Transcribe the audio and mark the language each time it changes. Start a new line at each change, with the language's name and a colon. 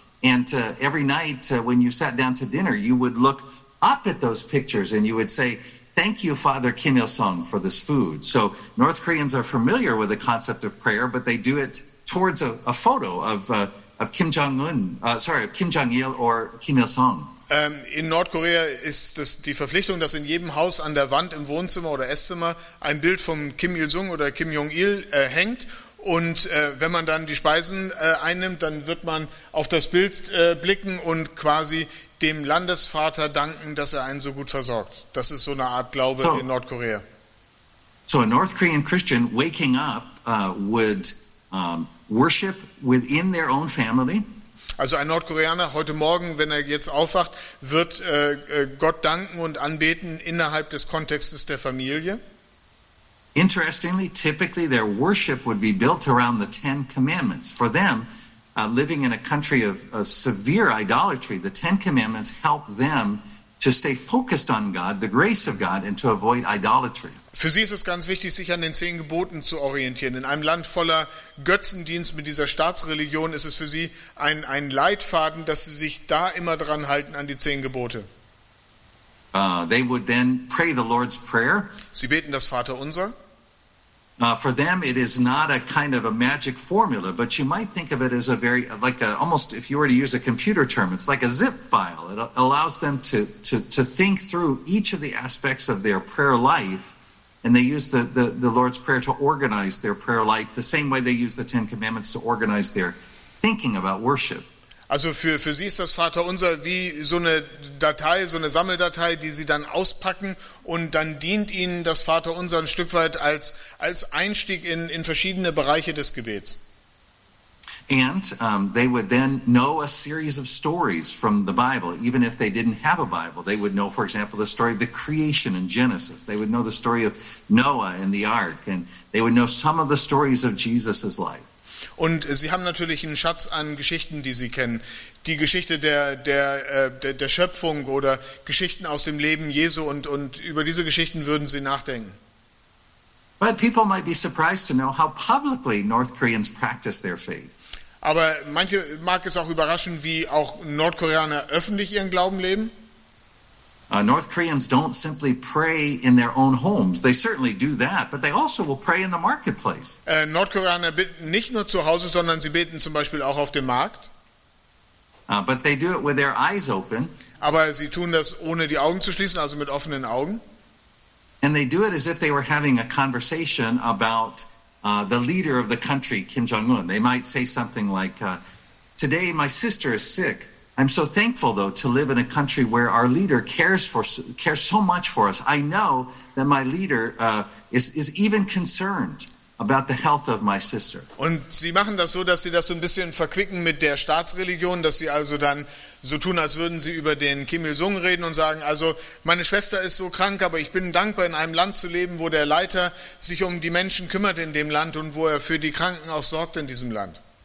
English: And every night when you sat down to dinner, you would look up at those pictures and you would say, thank you, Father Kim Il-sung, for this food. So North Koreans are familiar with the concept of prayer, but they do it towards a photo of Kim Jong-un, of Kim Jong-il or Kim Il-sung.
German: In Nordkorea ist es die Verpflichtung, dass in jedem Haus an der Wand im Wohnzimmer oder Esszimmer ein Bild von Kim Il-sung oder Kim Jong-il hängt. Und wenn man dann die Speisen einnimmt, dann wird man auf das Bild blicken und quasi dem Landesvater danken, dass er einen so gut versorgt. Das ist so eine Art Glaube in Nordkorea.
English: So a North Korean Christian waking up would worship within their own family.
German: Also ein Nordkoreaner heute Morgen, wenn er jetzt aufwacht, wird Gott danken und anbeten innerhalb des Kontextes der Familie.
English: Interestingly, typically their worship would be built around the Ten Commandments. For them, living in a country of severe idolatry, the Ten Commandments help them to stay focused on God, the grace of God, and to avoid idolatry.
German: Für sie ist es ganz wichtig, sich an den Zehn Geboten zu orientieren. In einem Land voller Götzendienst mit dieser Staatsreligion ist es für sie ein Leitfaden, dass sie sich da immer dran halten an die Zehn Gebote.
English: They would then pray the Lord's Prayer.
German: Sie beten das Vaterunser.
English: For them, it is not a kind of a magic formula, but you might think of it as a very, like a, almost if you were to use a computer term, it's like a zip file. It allows them to think through each of the aspects of their prayer life. And they use the Lord's Prayer to organize their prayer life, the same way they use the Ten Commandments to organize their thinking about worship.
German: Also für sie ist das Vaterunser wie so eine Datei, so eine Sammeldatei, die sie dann auspacken, und dann dient ihnen das Vaterunser ein Stück weit als Einstieg in verschiedene Bereiche des Gebets.
English: And they would then know a series of stories from the Bible, even if they didn't have a Bible. They would know, for example, the story of the creation in Genesis. They would know the story of Noah and the ark, and they would know some of the stories of Jesus' life.
German: Und sie haben natürlich einen Schatz an Geschichten, die sie kennen. Die Geschichte der Schöpfung oder Geschichten aus dem Leben Jesu, und über diese Geschichten würden sie nachdenken.
English: But people might be surprised to know how publicly North Koreans practice their faith.
German: Aber manche mag es auch überraschen, wie auch Nordkoreaner öffentlich ihren Glauben leben.
English: North Koreans don't simply pray in their own homes. They certainly do that, but they also will pray in the marketplace.
German: Nordkoreaner beten nicht nur zu Hause, sondern sie beten zum Beispiel auch auf dem Markt.
English: But they do it with their eyes open.
German: Aber sie tun das ohne die Augen zu schließen, also mit offenen Augen.
English: And they do it as if they were having a conversation about the leader of the country, Kim Jong-un. They might say something like, today my sister is sick. I'm so thankful, though, to live in a country where our leader cares so much for us. I know that my leader is even concerned about the health of my sister.
German: Und sie machen das so, dass sie das so ein bisschen verquicken mit der Staatsreligion, dass sie also dann so tun, als würden sie über den Kim Il-sung reden und sagen, also meine Schwester ist so krank, aber ich bin dankbar, in einem Land zu leben, wo der Leiter sich um die Menschen kümmert in dem Land und wo er für die Kranken auch sorgt in diesem Land.